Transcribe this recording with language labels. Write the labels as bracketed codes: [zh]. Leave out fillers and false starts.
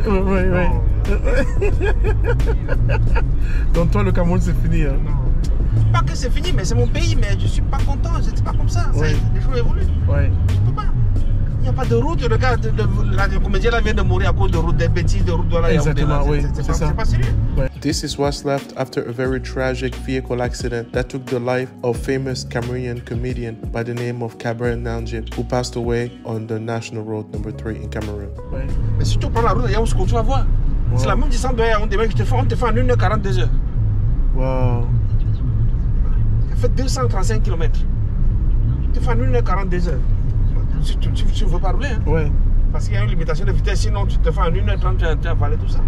[fr] Oui, oui. Oh. Donc toi, le Cameroun, c'est fini. Hein? Non. Pas que c'est fini, mais c'est mon pays, mais je suis pas content, c'est pas comme ça, ouais. Les choses évoluent. Ouais. Je peux pas. Il n'y a pas de route, regarde, le comédien là vient de mourir à cause de route, des bêtises de route de là. Exactement, oui, c'est pas sérieux. Ouais. [en] This is what's left after a very tragic vehicle accident that took the life of famous Cameroonian comedian by the name of Cabaret Nanjib, who passed away on the national road number 3 in Cameroon. [fr] Ouais. Mais si tu prends la route, il y a un secours, tu vas voir. Wow. C'est la même distance de on demain, on te fait en 1h42. Wow. Ça fait 235 km. Tu te fais en 1h42. Si tu veux pas rouler, hein. Ouais. Parce qu'il y a une limitation de vitesse, sinon tu te fais en 1h30, tu as avalé tout ça.